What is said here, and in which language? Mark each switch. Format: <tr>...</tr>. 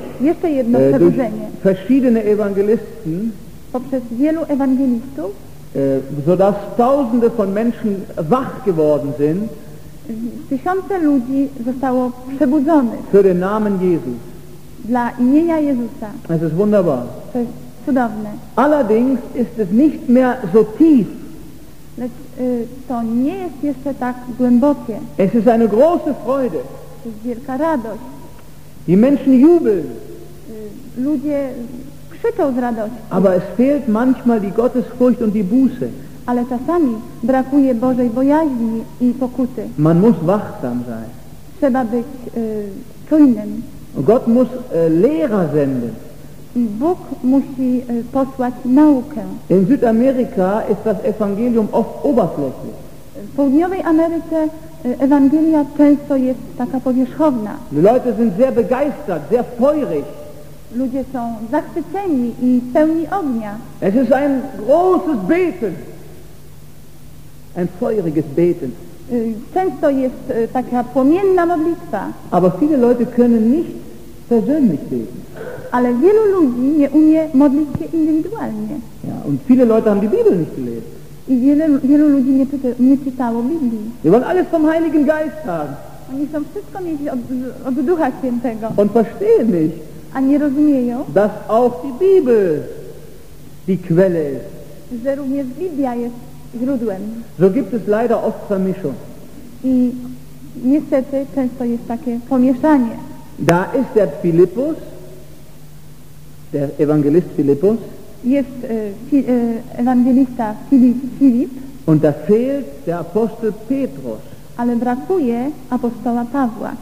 <pl>Jeszcze jedno przeróżenie.</pl> <de>Verschiedene Evangelisten.</de> <pl>Poprzez wielu Ewangelistów.</pl> <de>Sodass tausende von Menschen wach geworden sind.</de> <pl>Tysiące ludzi zostało przebudzonych.</pl> <de>Für den Namen Jesus.</de> <pl>Dla imienia Jezusa.</pl> <de>Es ist wunderbar.</de> <pl>To jest cudowne.</pl> <de>Allerdings ist es nicht mehr so tief.</de> <pl>Lecz to nie jest jeszcze tak głębokie.</pl> <de>Es ist eine große Freude.</de> <pl>To jest wielka radość.</pl> <de>Die Menschen jubeln.</de> <pl>Ludzie krzyczą z radości.</pl> <de>Aber es fehlt manchmal die Gottesfurcht und die Buße.</de> <pl>Ale czasami brakuje Bożej bojaźni i pokuty.</pl> <de>Man muss wachsam sein.</de> <pl>Trzeba być czujnym.</pl> <de>Gott muss Lehrer senden.</de> <pl>Bóg musi posłać naukę.</pl> <de>In Südamerika ist das Evangelium oft oberflächlich.</de> <pl>W Południowej Ameryce Ewangelia często jest taka powierzchowna.</pl> <de>Leute sind sehr begeistert, sehr feurig.</de> <pl>Ludzie są zachwyceni i pełni ognia.</pl> <de>Es ist ein großes Beten. Ein feuriges Beten.</de> <pl>Często jest taka płomienna modlitwa.</pl> <de>Aber viele Leute können nicht persönlich beten.</de> <pl>Ale wielu ludzi nie umie modlić się indywidualnie.</pl> <de>Ja, und viele Leute haben die Bibel nicht gelesen.</de> <pl>I wielu ludzi nie czytało Biblii.</pl> <de>Die wollen alles vom Heiligen Geist haben.</de> <pl>Oni chcą wszystko mieć od Ducha Świętego.</pl> <de>Und verstehen nicht,</de> <pl>a nie rozumieją,</pl> <de>dass auch die Bibel die Quelle ist.</de> <pl>Że również Biblia jest źródłem.</pl> <de>So gibt es leider oft Vermischung.</de> <pl>I niestety często jest takie pomieszanie.</pl> <de>Da ist der Philippus, der Evangelist Philippus.</de> <pl>Jest Ewangelista Filip.</pl> <de>Und da fehlt der Apostel Petrus.</de> <pl>Ale brakuje apostoła Pawła.</pl>